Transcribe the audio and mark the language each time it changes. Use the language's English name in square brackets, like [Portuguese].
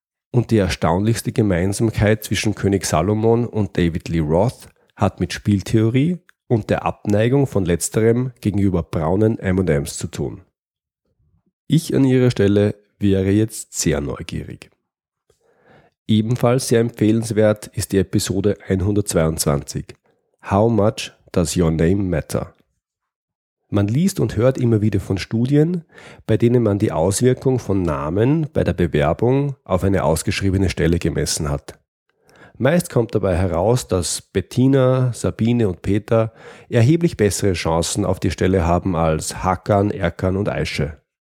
[German] Und die erstaunlichste Gemeinsamkeit zwischen König Salomon und David Lee Roth hat mit Spieltheorie und der Abneigung von letzterem gegenüber braunen M&Ms zu tun. Ich an Ihrer Stelle wäre jetzt sehr neugierig. Ebenfalls sehr empfehlenswert ist die Episode 122. [English] How much does your name matter? [German] Man liest und hört immer wieder von Studien, bei denen man die Auswirkung von Namen bei der Bewerbung auf eine ausgeschriebene Stelle gemessen hat. Meist kommt dabei heraus, dass Bettina, Sabine und Peter erheblich bessere Chancen auf die Stelle haben als Hakan, Erkan und Aische.